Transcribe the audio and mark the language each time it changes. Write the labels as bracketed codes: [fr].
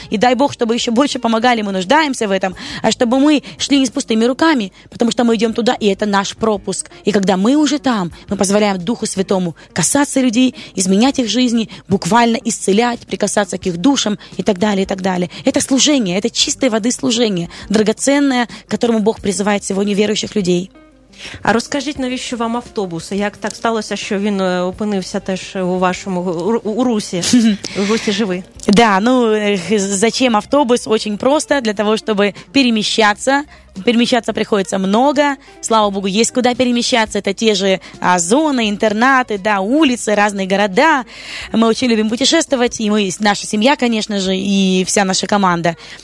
[ru] И дай Бог, чтобы еще больше помогали, мы нуждаемся в этом. А чтобы мы шли не с пустыми руками, потому что мы идем туда, и это наш пропуск. И когда мы уже там, мы позволяем Духу Святому касаться людей, изменять их жизни, буквально исцелять, прикасаться к их душам и так далее, и так далее. Это служение, это чистой воды служение, драгоценное, к которому Бог призывает сегодня верующих людей. [uk] А розкажіть, навіщо вам автобус? Як так сталося, що він опинився теж у вашому у Русі? У Русі живи. [ru] Да, ну, зачем автобус? Очень просто, для того, чтобы перемещаться. Перемещаться приходится много. Слава богу, есть куда перемещаться. Это те же зоны, интернаты, да, улицы, разные города. Мы очень любим путешествовать. И мы, наша семья, конечно же, и вся наша команда.